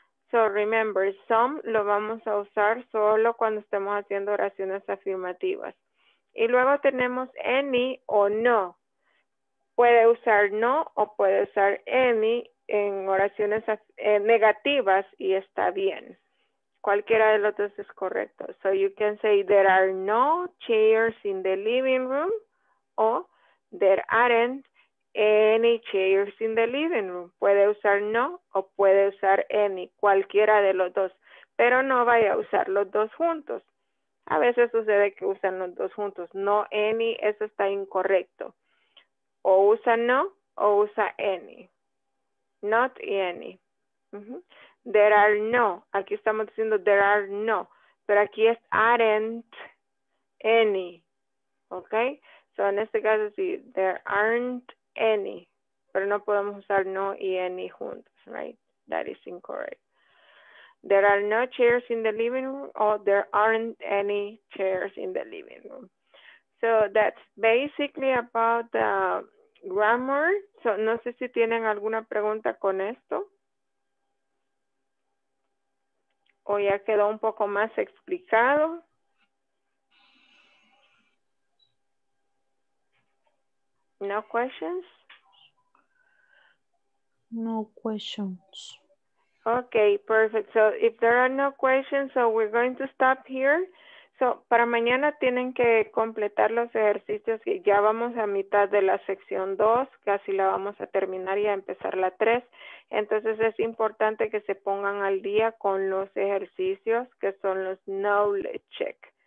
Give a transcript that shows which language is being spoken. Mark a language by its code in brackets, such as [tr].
[en] So remember, [es] some lo vamos a usar solo cuando estemos haciendo oraciones afirmativas. Y luego tenemos any o no. Puede usar no o puede usar any en oraciones negativas y está bien. Cualquiera de los dos es correcto. [en] So you can say there are no chairs in the living room o there aren't any chairs in the living room. [es] Puede usar no o puede usar any, cualquiera de los dos. Pero no vaya a usar los dos juntos. A veces sucede que usan los dos juntos. No any, eso está incorrecto. O usa no o usa any. [en] Not any. There are no. [es] Aquí estamos diciendo [en] there are no. [es] Pero aquí es aren't any. ¿Ok? So en este caso sí, [en] there aren't any. [es] Pero no podemos usar no y any juntos. [en] Right? That is incorrect. There are no chairs in the living room or there aren't any chairs in the living room. So that's basically about the grammar. [es] So no sé si tienen alguna pregunta con esto. ¿O ya quedó un poco más explicado? [en] No questions? No questions. Okay, perfect. So if there are no questions, so we're going to stop here. [es] So para mañana tienen que completar los ejercicios. Ya vamos a mitad de la sección 2, casi la vamos a terminar y a empezar la 3. Entonces es importante que se pongan al día con los ejercicios que son los knowledge check.